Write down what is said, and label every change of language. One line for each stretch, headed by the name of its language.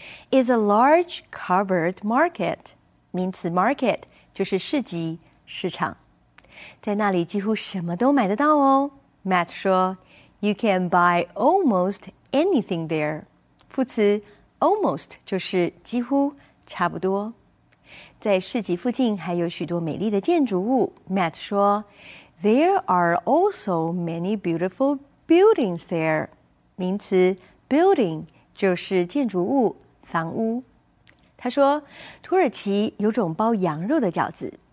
English: It's a large covered market，
Chinese: 名词 market 就是市集、市场，在那里几乎什么都买得到哦。
English: Matt 说，You can buy almost anything there。
Chinese: 副词 almost 就是几乎、差不多。在市集附近还有许多美丽的建筑物。
English: Matt 说，There are also many beautiful buildings there。
Chinese: 名词 building 就是建筑物、房屋。他说，土耳其有种包羊肉的饺子。